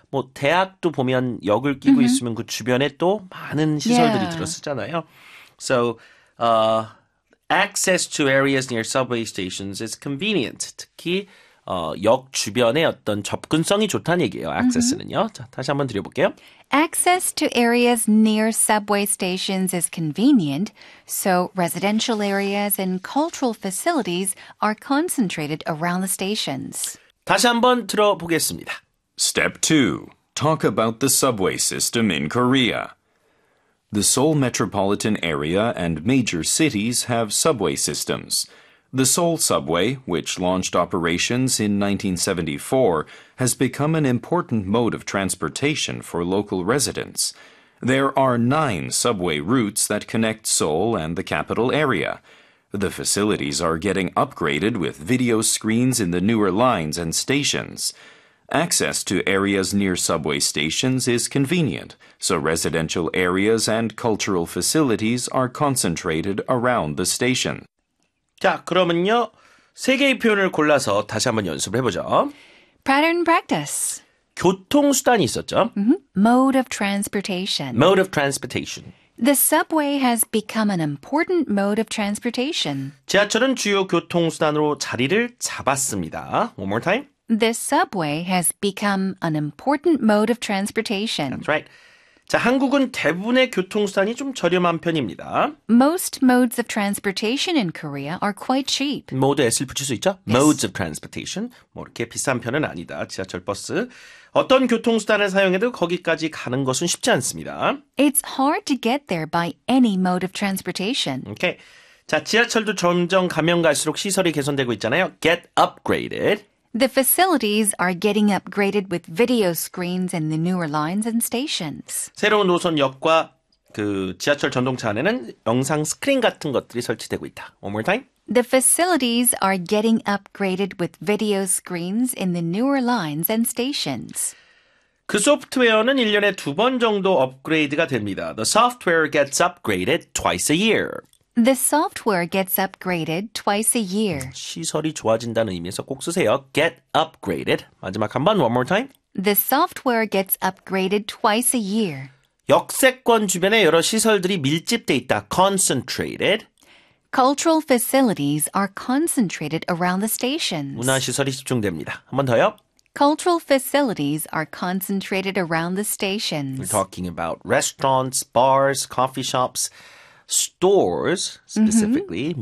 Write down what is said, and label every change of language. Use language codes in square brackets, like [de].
[ko] 뭐 대학도 보면 역을 끼고 mm-hmm. 있으면 그 주변에 또 많은 시설들이 yeah. 들어서잖아요. [en] So, access to areas near subway stations is convenient. [ko] 특히 역 주변에 어떤 접근성이 좋다는 얘기예요. Access는요. Mm-hmm. 자, 다시 한번 드려볼게요. [en] Access to areas near subway stations is convenient, so residential areas and cultural facilities are concentrated around the stations. [ko] 다시 한번 들어보겠습니다. [en] Step 2. Talk about the subway system in Korea. The Seoul metropolitan area and major cities have subway systems. The Seoul subway, which launched operations in 1974, has become an important mode of transportation for local residents. There are 9 subway routes that connect Seoul and the capital area. The facilities are getting upgraded with video screens in the newer lines and stations. Access to areas near subway stations is convenient, so residential areas and cultural facilities are concentrated around the station. [ko] 자, 그러면요. 세 개의 표현을 골라서 다시 한번 연습을 해보죠. [en] Pattern practice. [ko] 교통수단이 있었죠. [en] Mm-hmm. Mode of transportation. Mode of transportation. The subway has become an important mode of transportation. [ko] 지하철은 주요 교통수단으로 자리를 잡았습니다. [en] One more time. The subway has become an important mode of transportation. That's right. [ko] 자, 한국은 대부분의 교통수단이 좀 저렴한 편입니다. [en] Most modes of transportation in Korea are quite cheap. [ko] 모두 S를 붙일 수 있죠? [en] Yes. Modes of transportation. [ko] 뭐 이렇게 비싼 편은 아니다. 지하철, 버스. 어떤 교통수단을 사용해도 거기까지 가는 것은 쉽지 않습니다. [en] It's hard to get there by any mode of transportation. Okay. [ko] 자, 지하철도 점점 가면 갈수록 시설이 개선되고 있잖아요. [en] Get upgraded. The facilities are getting upgraded with video screens in the newer lines and stations. [ko] 새로운 노선역과 그 지하철 전동차 안에는 영상 스크린 같은 것들이 설치되고 있다. [en] One more time. The facilities are getting upgraded with video screens in the newer lines and stations. [ko] 그 소프트웨어는 1년에 두 번 정도 업그레이드가 됩니다. [en] The software gets upgraded twice a year. The software gets upgraded twice a year. [ko] 시설이 좋아진다는 의미에서 꼭 쓰세요. [en] Get upgraded. [ko] 마지막 한 번, [en] one more time. The software gets upgraded twice a year. [ko] 역세권 주변에 여러 시설들이 밀집돼 있다. [en] Concentrated. Cultural facilities are concentrated around the stations. [ko] 문화시설이 집중됩니다. 한 번 더요. [en] Cultural facilities are concentrated around the stations. We're talking about restaurants, bars, coffee shops, stores specifically, mm-hmm.